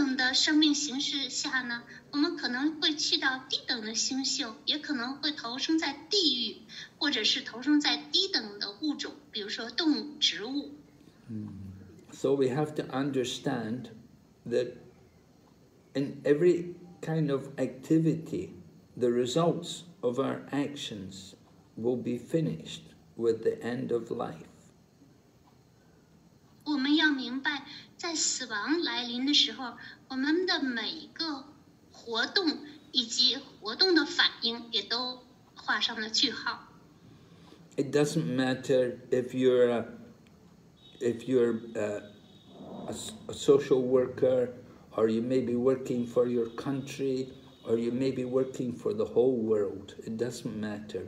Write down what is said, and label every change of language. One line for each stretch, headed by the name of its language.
Chinese: 而在低等的生命形式下呢, 我们可能会去到低等的星宿,也可能会投生在地狱, 或者是投生在低等的物种, 比如说动物、植物。
English: So we have to understand that in every kind of activity, the results of our actions will be finished with the end of life.
Chinese: 我们要明白, 在死亡来临的时候, 我们的每一个
English: It doesn't matter if you're a social worker, or you may be working for your country, or you may be working for the whole world. It doesn't matter.